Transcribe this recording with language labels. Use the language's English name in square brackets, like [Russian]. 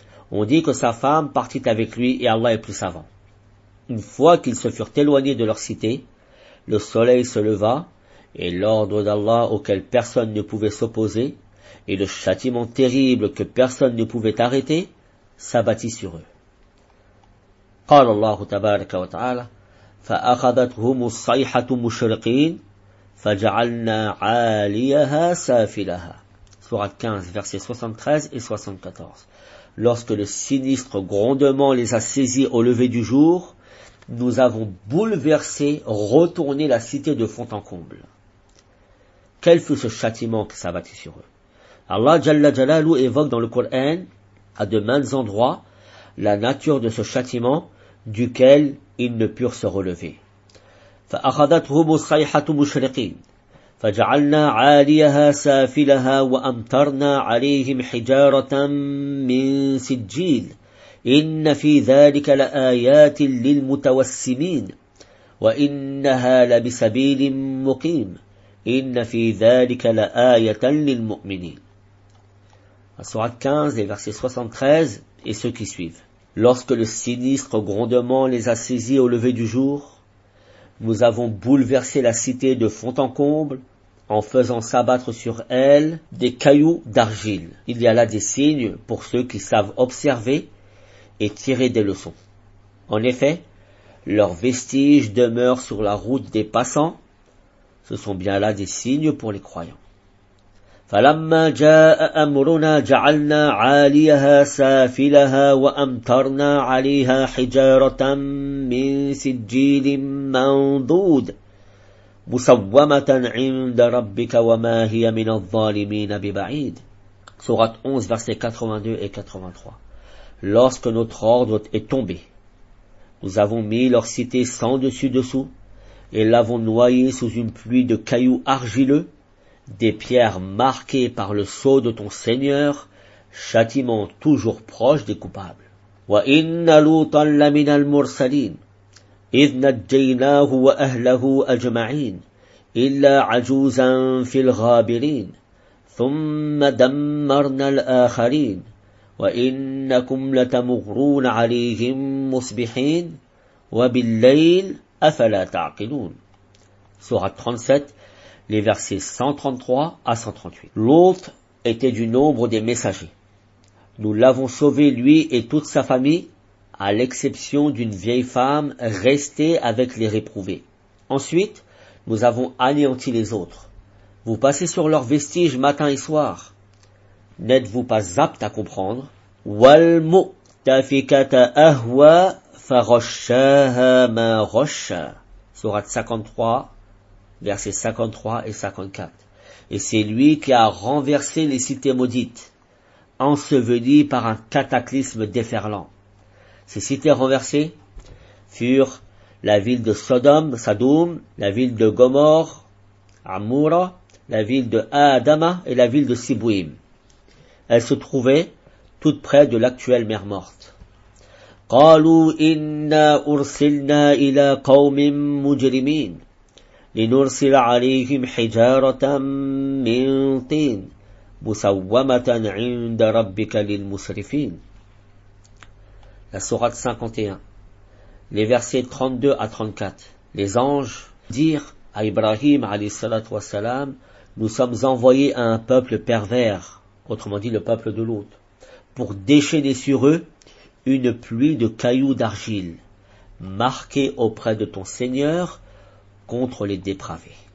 [French] On dit que sa femme partit avec lui et Allah est plus savant. Une fois qu'ils se furent éloignés de leur cité, le soleil se leva et l'ordre d'Allah auquel personne ne pouvait s'opposer et le châtiment terrible que personne ne pouvait arrêter s'abattit sur eux. [Arabic] قال الله تبارك وتعالى فأخذتهم الصيحة مشرقين فجعلنا عاليها سافلها. [French] Sourate 15, versets 73 et 74. Lorsque le sinistre grondement les a saisis au lever du jour, nous avons bouleversé, retourné la cité de fond en comble. Quel fut ce châtiment qui s'abattit sur eux? Allah Jalla Jalalu évoque dans le Coran, à de maints endroits, la nature de ce châtiment duquel ils ne purent se relever. [Arabic] فَأَخَذَتْهُمُ الصَّيْحَةُ مُشْرِقِينَ فَجَعَلْنَا عَالِيَهَا سَافِلَهَا وَأَمْطَرْنَا عَلَيْهِمْ حِجَارَةً مِّن سِجِّيلٍ إِنَّ فِي ذَلِكَ لَآيَاتٍ لِّلْمُتَوَسِّمِينَ وَإِنَّهَا لَبِسَبِيلٍ مُّقِيمٍ إِنَّ فِي ذَلِكَ لَآيَةً لِّلْمُؤْمِنِينَ [French] Sourate 15 et verset 73 et ceux qui suivent. Lorsque le sinistre grondement les a saisis au lever du jour, nous avons bouleversé la cité de fond en comble en faisant s'abattre sur elle des cailloux d'argile. Il y a là des signes pour ceux qui savent observer et tirer des leçons. En effet, leurs vestiges demeurent sur la route des passants. Ce sont bien là des signes pour les croyants. [Arabic] فَلَمَّا جَاءَ أَمْرُنَا جَعَلْنَا عَالِيَهَا سَافِلَهَا وَأَمْطَرْنَا عَلَيْهَا حِجَارَةً مِّن سِجِّيلٍ مَّنضُودٍ مُّسَوَّمَةً عِندَ رَبِّكَ وَمَا هِيَ مِنَ الظَّالِمِينَ بِبَعِيدٍ [French] Sourate 11, versets 82 et 83. Lorsque notre ordre est tombé, nous avons mis leur cité sans dessus-dessous et l'avons noyée sous une pluie de cailloux argileux, des pierres marquées par le sceau de ton Seigneur, châtiment toujours proche des coupables. [Arabic] وَإِنَّ لُوطًا لَمِنَ الْمُرْسَلِينَ إِذْ نَجَّيْنَاهُ وَأَهْلَهُ أَجْمَعِينَ إِلَّا عَجُوزًا فِي الْغَابِرِينَ ثُمَّ دَمَّرْنَا الْآخَرِينَ وَإِنَّكُمْ لَتَمُغْرُونَ عَلَيْهِمْ مُصْبِحِينَ وَبِاللَّيْلِ أَفَلَا تَعْقِلُونَ [French] Sourate 37, les versets 133 à 138. Lot était du nombre des messagers. Nous l'avons sauvé, lui et toute sa famille, à l'exception d'une vieille femme restée avec les réprouvés. Ensuite, nous avons anéanti les autres. Vous passez sur leurs vestiges matin et soir. N'êtes-vous pas apte à comprendre? [Arabic] وَالْمُؤْتَفِكَةَ أَهْوَى فَرَشَّاهَا مَا رَشَّا [French] Sourate 53, versets 53 et 54. Et c'est lui qui a renversé les cités maudites, ensevelies par un cataclysme déferlant. Ces cités renversées furent la ville de Sodome, Sadoum, la ville de Gomorre, Amoura, la ville de Adama et la ville de Sibouim. Elles se trouvaient toutes près de l'actuelle mer morte. [Arabic] قالوا إنا أرسلنا إلى قوم مجرمين لنرسل عليهم حجارة من طين مسومة عند ربك للمسرفين. [French] La sourate 51, les versets 32 à 34. Les anges dirent à Ibrahim alayhi salat wa salam, nous sommes envoyés à un peuple pervers, autrement dit le peuple de Lot, pour déchaîner sur eux une pluie de cailloux d'argile, marquée auprès de ton Seigneur contre les dépravés.